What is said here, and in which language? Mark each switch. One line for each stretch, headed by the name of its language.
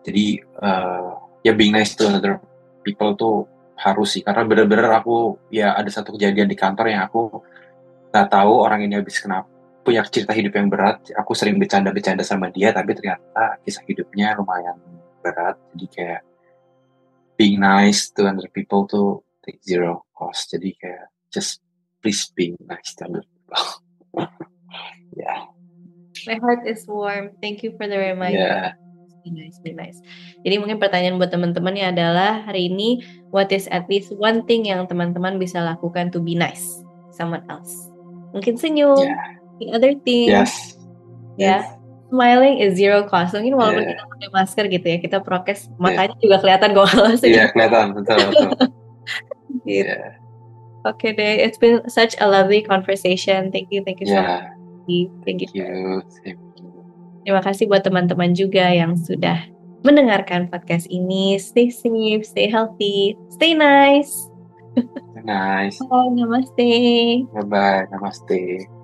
Indonesian: Jadi ya,
English: being nice to another people
Indonesian: tuh harus sih. Karena benar-benar aku, ya ada satu kejadian di kantor yang aku gak tahu orang ini habis kenapa, punya cerita hidup yang berat. Aku sering bercanda-bercanda sama dia, tapi ternyata kisah hidupnya lumayan berat. Jadi kayak
English: being nice to other people to take zero cost.
Indonesian: Jadi kayak
English: just please being nice to other people. My heart is warm. Thank you for the reminder. Be nice.
Indonesian: Jadi mungkin pertanyaan buat teman-temannya adalah, hari ini
English: what is at least one thing
Indonesian: yang teman-teman bisa lakukan
English: to be nice someone else?
Indonesian: Mungkin senyum. Yeah.
English: The other thing, smiling is zero cost.
Indonesian: Mungkin walaupun kita pakai masker gitu ya, kita prokes, matanya juga kelihatan, gak ngalah sih. Iya, kelihatan, betul.
English: Okay
Indonesian: deh,
English: it's been such a lovely conversation. Thank you so much. Thank you.
Indonesian: Terima kasih buat teman-teman juga yang sudah mendengarkan podcast ini.
English: Stay safe, stay healthy, stay nice. Nice. Bye, namaste. Bye-bye, namaste.